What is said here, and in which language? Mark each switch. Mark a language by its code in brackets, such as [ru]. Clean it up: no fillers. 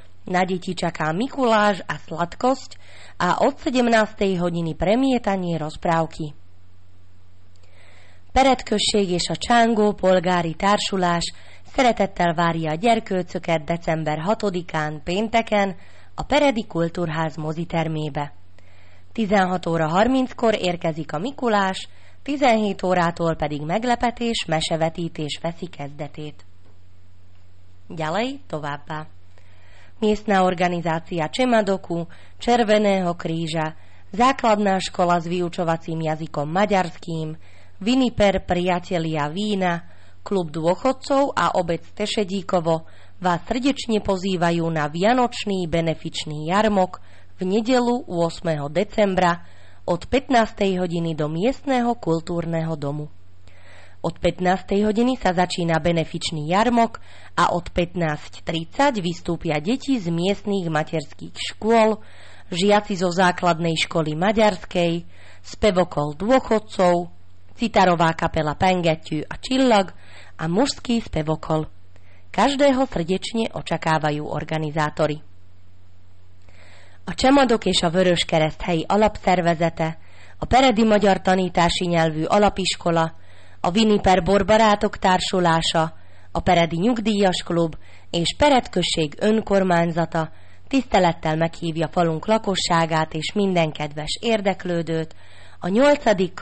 [sk] Na deti čaká Mikuláš a sladkosť a od 17. hodiny premietanie rozprávky. [hu] Pered községes a Csángó polgári társulás szeretettel várja a gyerkőcöket december 6-án pénteken a Peredi Kultúrház mozitermébe. 16 óra 30-kor érkezik a Mikulás, 17 órától pedig meglepetés, mesevetítés veszi kezdetét. Gyalej továbbá. [sk] Miestna organizácia Csemadoku, Červeného kríža, základná škola s vyučovacím jazykom maďarským, Viniper priatelia vína, klub dôchodcov a obec Tešedíkovo vás srdečne pozývajú na vianočný benefičný jarmok v nedeľu 8. decembra od 15. hodiny do miestneho kultúrneho domu. Od 15. hodiny sa začína benefičný jarmok a od 15.30 vystúpia deti z miestnych materských škôl, žiaci zo základnej školy maďarskej, spevokol dôchodcov, citarová kapela Pengetyű a Csillag a mužský spevokol. Každého srdečne očakávajú organizátori. [hu] A Csemadok és a Vöröskereszt helyi alapszervezete, a Peredi Magyar Tanítási Nyelvű Alapiskola, a Viniper Borbarátok Társulása, a Peredi Nyugdíjas Klub és Pered Község Önkormányzata tisztelettel meghívja falunk lakosságát és minden kedves érdeklődőt a 8.